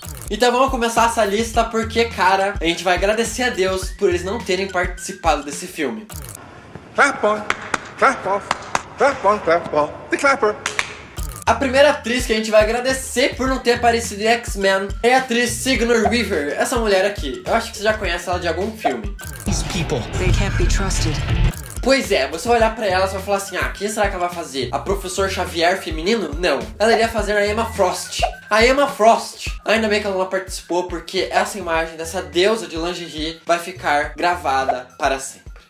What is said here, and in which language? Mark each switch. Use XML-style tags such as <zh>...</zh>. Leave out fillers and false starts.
<pt>Então vamos começar essa lista porque, cara, a gente vai agradecer a Deus por eles não terem participado desse filme.</pt> <en>Clap on, clap off, clap on, clap off, the clapper.</en> <pt>A primeira atriz que a gente vai agradecer por não ter aparecido em X-Men é a atriz Sigourney Weaver, essa mulher aqui. Eu acho que você já conhece ela de algum filme.</pt> <en>These people, they can't be trusted.</en> <pt>Pois é, você vai olhar pra ela e vai falar assim, ah, quem será que ela vai fazer? A professor Xavier feminino? Não. Ela iria fazer a Emma Frost. A Emma Frost. Ainda bem que ela não participou, porque essa imagem dessa deusa de lingerie vai ficar gravada para sempre.</pt>